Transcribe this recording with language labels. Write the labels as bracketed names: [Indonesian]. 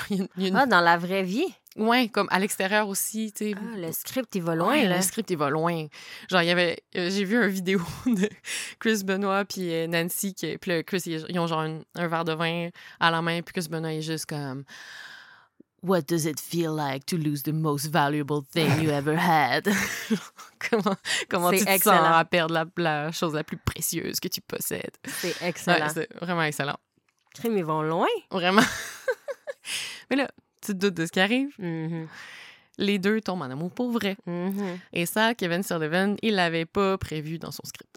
[French] Dans la vraie vie? Ouais, comme à l'extérieur aussi, tu sais. Ah, le script, il va loin, ouais, là. Le script, il va loin. Genre, j'ai vu une vidéo de Chris Benoit puis Nancy, puis Chris, ils ont genre un verre de vin à la main, puis Chris Benoit est juste comme... [English] What does it feel like to lose the most valuable thing you ever had? [French] comment c'est tu excellent. Te sens à perdre la chose la plus précieuse que tu possèdes? C'est excellent. Ouais, c'est vraiment excellent. Crime, ils vont loin. Vraiment. Mais là, tu te doutes de ce qui arrive? Mm-hmm. Les deux tombent en amour pour vrai. Mm-hmm. Et ça, Kevin Sullivan, il l'avait pas prévu dans son script.